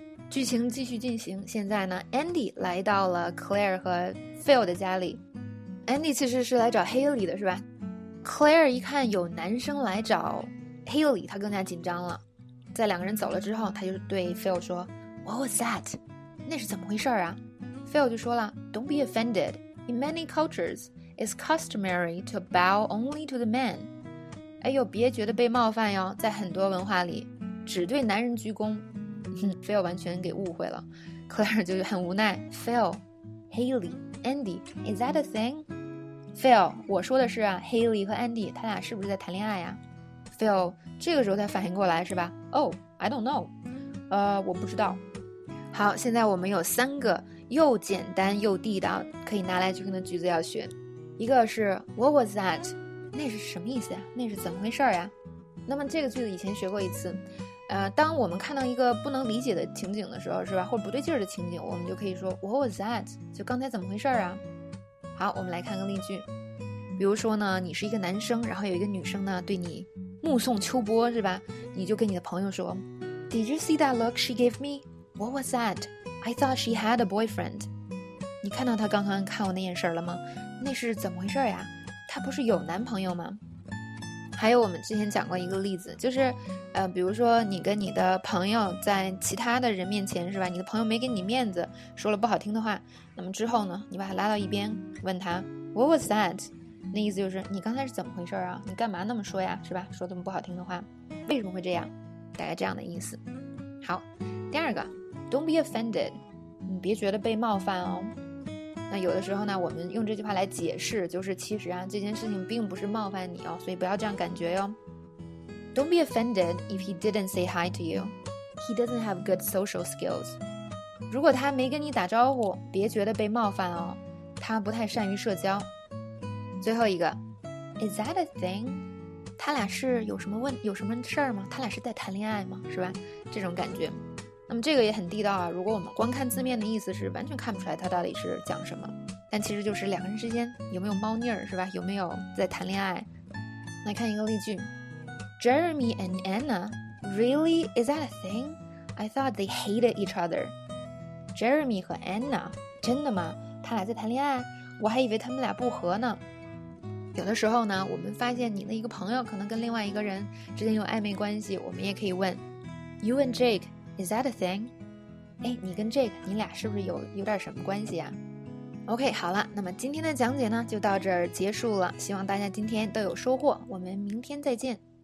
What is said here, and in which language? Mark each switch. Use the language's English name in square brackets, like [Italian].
[Chinese] 剧情继续进行，现在呢 ，Andy 来到了 Claire 和 Phil 的家里。 Andy 其实是来找 Haley 的，是吧 ？Claire 一看有男生来找 Haley， 他更加紧张了。在两个人走了之后，他就对 Phil 说 ： [English] “What was that？ [Chinese] 那是怎么回事啊 ？”Phil 就说了 ： [English] “Don't be offended. In many cultures, it's customary to bow only to the man.” [Chinese] 哎呦，别觉得被冒犯哟，在很多文化里只对男人鞠躬。 Phil 完全给误会了， Claire 就很无奈。 [English] Phil, Haley, Andy, is that a thing? [Chinese] Phil, 我说的是啊， Haley 和 Andy 他俩是不是在谈恋爱呀？ Phil 这个时候才反应过来，是吧？ [English] Oh, I don't know. [Chinese] 我不知道。好，现在我们有三个又简单又地道可以拿来就跟的句子要学。一个是 [English] What was that? [Chinese] 那是什么意思呀？那是怎么回事呀？那么这个句子以前学过一次，当我们看到一个不能理解的情景的时候，是吧？或者不对劲儿的情景，我们就可以说 [English] What was that? [Chinese] 就刚才怎么回事啊？好，我们来看个例句。比如说呢，你是一个男生，然后有一个女生呢对你目送秋波，是吧？你就跟你的朋友说 [English] Did you see that look she gave me? What was that? I thought she had a boyfriend. [Chinese] 你看到她刚刚看我那眼神了吗？那是怎么回事呀？她不是有男朋友吗？还有我们之前讲过一个例子，就是比如说你跟你的朋友在其他的人面前，是吧，你的朋友没给你面子，说了不好听的话，那么之后呢，你把他拉到一边问他 [English] What was that? [Chinese] 那意思就是你刚才是怎么回事啊，你干嘛那么说呀，是吧，说这么不好听的话，为什么会这样，大概这样的意思。好，第二个 [English] Don't be offended， [Chinese] 你别觉得被冒犯哦。那有的时候呢，我们用这句话来解释，就是其实啊，这件事情并不是冒犯你哦，所以不要这样感觉哟。 [English] Don't be offended if he didn't say hi to you. He doesn't have good social skills. [Chinese] 如果他没跟你打招呼，别觉得被冒犯哦，他不太善于社交。最后一个 [English] ，Is that a thing? [Chinese] 他俩是有什么事儿吗？他俩是在谈恋爱吗？是吧？这种感觉。那么这个也很地道啊，如果我们光看字面的意思是完全看不出来它到底是讲什么，但其实就是两个人之间有没有猫腻儿，是吧，有没有在谈恋爱。来看一个例句， [English] Jeremy and Anna, really, is that a thing? I thought they hated each other. [Chinese] Jeremy 和 Anna, 真的吗？他俩在谈恋爱？我还以为他们俩不和呢。有的时候呢，我们发现你的一个朋友可能跟另外一个人之间有暧昧关系，我们也可以问 [English] You and Jake,Is that a thing? [Chinese] 哎，你跟 Jake, 你俩是不是有点什么关系啊？OK, 好了，那么今天的讲解呢，就到这儿结束了。希望大家今天都有收获，我们明天再见。